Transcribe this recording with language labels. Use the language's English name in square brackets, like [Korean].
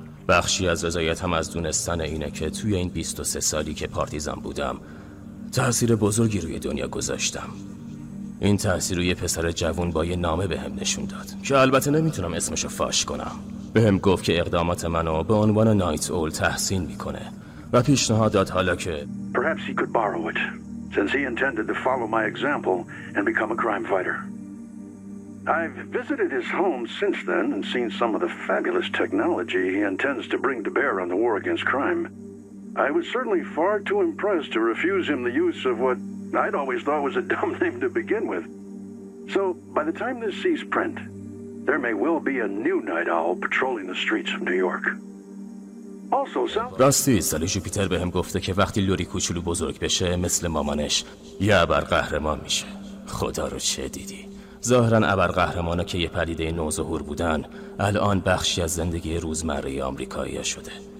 [Persian] بخشی از رضایتم از دونستن اینه که توی این 23 سالی که پارتیزان بودم تأثیر بزرگی روی دنیا گذاشتم. این تأثیر روی پسر جوون با یه نامه به هم نشون داد که البته نمیتونم اسمشو فاش کنم. به هم گفت که اقدامات منو به عنوان نایت اول تحسین میکنه و پیشنهاد داد حالا که [English] Perhaps he could borrow it since he intended to follow my example and become a crime fighter. I've visited his home since then and seen some of the fabulous technology he intends to bring to bear on the war against crime. I was certainly far too impressed to refuse him the use of what I'd always thought was a dumb name to begin with. So, by the time this sees print, there may well be a new night owl patrolling the streets of New York. [Persian] راستی سال جوپیتر بهم گفته که وقتی لوری کوچولو بزرگ بشه مثل مامانش یه ابرقهرمان میشه. خدا رو چه دیدی؟ ظاهراً ابرقهرمانا که یه پدیده نوظهور بودن الان بخشی از زندگی روزمره آمریکایی‌ها شده.